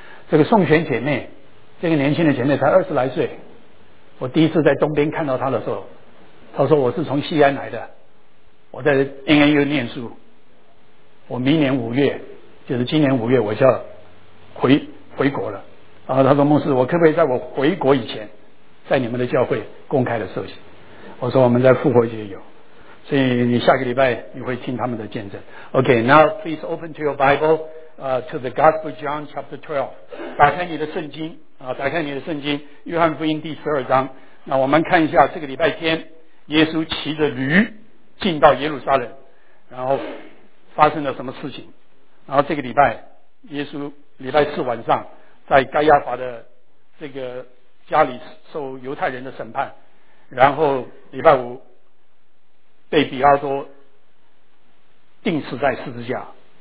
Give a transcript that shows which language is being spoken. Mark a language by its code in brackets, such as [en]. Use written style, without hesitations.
[zh] 这个宋璇姐妹，这个年轻的姐妹才20来岁，我第一次在东边看到她的时候，她说我是从西安来的，我在 NAU 念书，我明年五月，就是今年五月我就要回国了。然后她说牧师，我可不可以在我回国以前在你们的教会公开的受洗？我说我们在复活节有，所以你下个礼拜你会听他们的见证。 [en] OK, now please open to your Bible to the Gospel of John chapter 12. [zh] 打开你的圣经啊，打开你的圣经，约翰福音第十二章。那我们看一下这个礼拜天耶稣骑着驴进到耶路撒冷，然后发生了什么事情。然后这个礼拜耶稣礼拜四晚上在该亚法的这个家里受犹太人的审判，然后礼拜五被比拉多钉死在十字架。